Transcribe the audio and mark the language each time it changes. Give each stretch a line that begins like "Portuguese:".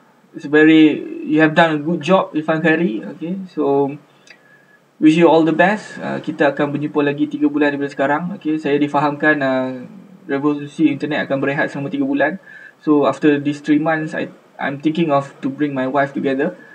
English: It's very, you have done a good job, Irfan Khairi. Okay, so wish you all the best.
Malay: Kita akan berjumpa lagi 3 bulan daripada sekarang. Okay, saya difahamkan revolusi internet akan berehat selama 3 bulan.
English: So after these 3 months, I'm thinking of to bring my wife together.